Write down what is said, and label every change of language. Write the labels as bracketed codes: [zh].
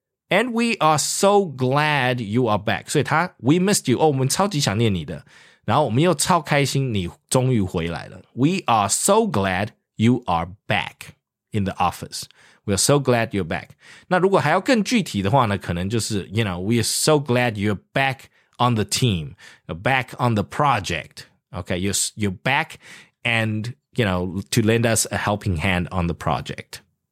[en] And we are so glad you are back. [zh] 所以他 [en] we missed you. [zh] 哦我们超级想念你的。然后我们又超开心你终于回来了。 [en] We are so glad you are back in the office. We are so glad you're back. [zh] 那如果还要更具体的话呢可能就是 [en] you know, we are so glad you're back on the team, back on the project. Okay, you're back and, you know, to lend us a helping hand on the project.